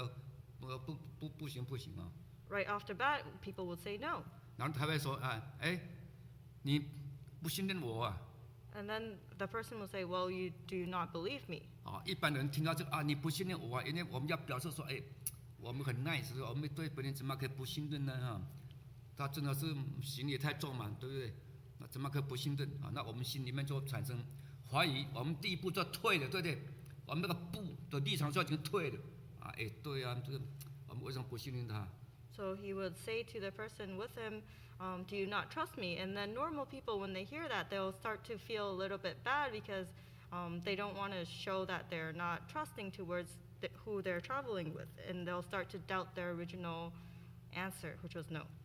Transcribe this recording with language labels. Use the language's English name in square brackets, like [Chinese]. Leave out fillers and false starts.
[Chinese] 第一个回应你当时说不，对不对？你就说不行不行啊。 [English] Right off the bat, people would say no. [Chinese] 然后他会说，你不信任我啊。 [English] And then the person will say, "Well, you do not believe me." [Chinese] 一般人听到这个，你不信任我啊，因为我们要表示说，我们很 nice， 我们对别人怎么可以不信任呢？他真的是行李太重嘛，对不对？那怎么可以不信任？那我们心里面就产生怀疑，我们第一步就退了，对不对？我们那个不的立场就已经退了。对啊，这个我们为什么不信任他？ [English] So he would say to the person with him, "Do you not trust me?" And then normal people, when they hear that, they'll start to feel a little bit bad because they don't want to show that they're not trusting towards who they're traveling with, and they'll start to doubt their original answer, which was no.